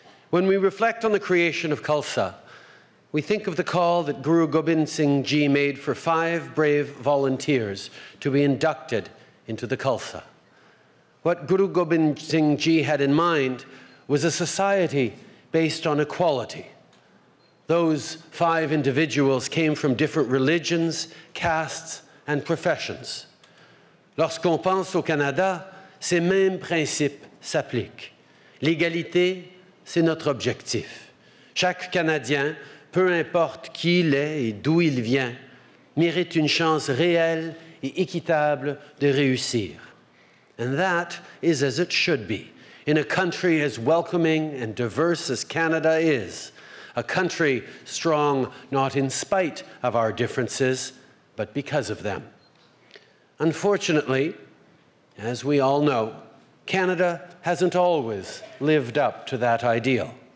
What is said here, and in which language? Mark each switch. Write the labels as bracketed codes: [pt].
[en] When we reflect on the creation of Khalsa, we think of the call that Guru Gobind Singh Ji made for five brave volunteers to be inducted into the Khalsa. What Guru Gobind Singh Ji had in mind was a society based on equality. Those five individuals came from different religions, castes, and professions. [fr] Lorsqu'on pense au Canada, ces mêmes principes s'appliquent. L'égalité, c'est notre objectif. Chaque Canadien, peu importe qui il est et d'où il vient, mérite une chance réelle et équitable de réussir. [en] And that is as it should be, in a country as welcoming and diverse as Canada is. A country strong not in spite of our differences, but because of them. Unfortunately, as we all know, Canada hasn't always lived up to that ideal.